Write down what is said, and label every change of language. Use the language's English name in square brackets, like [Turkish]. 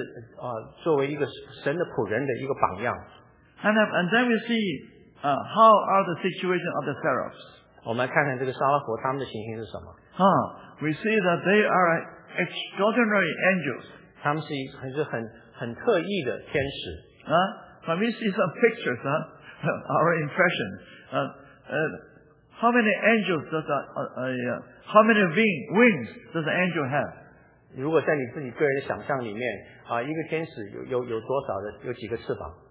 [Chinese] 因为这些沙拉伯就是作为一个神的仆人的一个榜样。 [English] And then we see how are the situation of the seraphs. [Chinese] 我们来看看这个沙拉伯他们的情形是什么。 [English] We see that they are extraordinary angels. [Chinese] 他们是很特异的天使。 [English] Let me see some pictures, our impression. How many angels does how many wings does an angel have? [Chinese] 如果在你自己个人的想象里面, 一个天使有多少的,有几个翅膀?